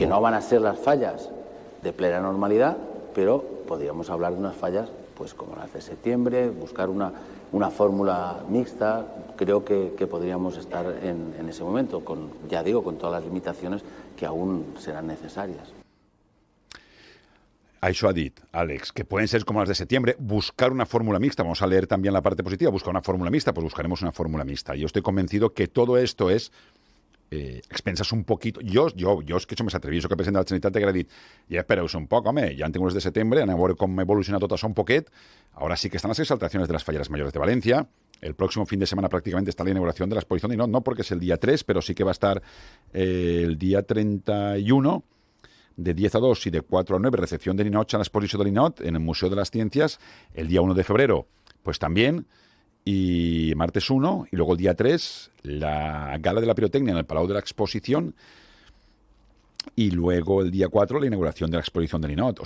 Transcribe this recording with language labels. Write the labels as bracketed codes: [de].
[es] Que no van a ser las fallas de plena normalidad, pero podríamos hablar de unas fallas pues como las de septiembre, buscar una fórmula mixta, creo que podríamos estar en ese momento, con, ya digo, con todas las limitaciones que aún serán necesarias. [ca] Això ha dit, Àlex, que poden ser com les de setembre, buscar una fórmula mixta. [es] Vamos a leer también la parte positiva. Buscar una fórmula mixta, pues buscaremos una fórmula mixta. Yo estoy convencido que todo esto es... expensas un poquito... [ca] Jo és que això me s'atreviso, que el president de la Generalitat t'ha dit, ja espereu un poc, home, ja en tinc unes de setembre, anem a veure com evoluciona tot això un poquet. Ara sí que estan les exaltacions de les falleres majors de València. [es] El próximo fin de semana prácticamente está la inauguración de la exposición, y no porque es el día 3, pero sí que va a estar el día 31, de 10 a 2 y de 4 a 9, recepción de Ninot en la exposición de Ninot, en el Museo de las Ciencias, el día 1 de febrero, pues también, y martes 1, y luego el día 3, la gala de la pirotecnia en el Palau de la Exposición, y luego el día 4, la inauguración de la exposición de Ninot.